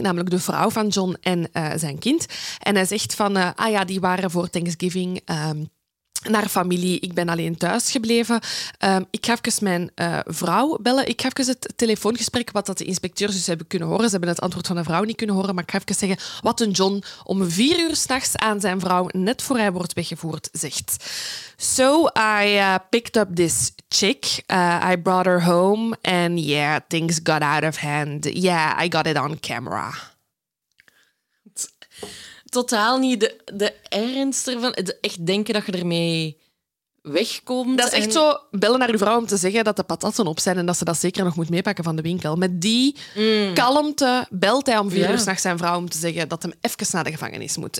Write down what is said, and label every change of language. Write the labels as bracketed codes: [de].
[nl] Namelijk de vrouw van John en zijn kind. En hij zegt van, die waren voor Thanksgiving naar familie. Ik ben alleen thuis gebleven. Ik ga even mijn vrouw bellen. Ik ga even het telefoongesprek wat de inspecteurs dus hebben kunnen horen. Ze hebben het antwoord van de vrouw niet kunnen horen, maar ik ga even zeggen wat een John om 4 uur 's nachts aan zijn vrouw, net voor hij wordt weggevoerd, zegt. [en] So I picked up this chick. I brought her home and yeah, things got out of hand. Yeah, I got it on camera. [nl] Totaal niet de ernst ervan. Echt denken dat je ermee wegkomt. Dat is echt zo, bellen naar je vrouw om te zeggen dat de patatten op zijn en dat ze dat zeker nog moet meepakken van de winkel. Met die kalmte belt hij om 4 uur 's nachts zijn vrouw om te zeggen dat hem even naar de gevangenis moet.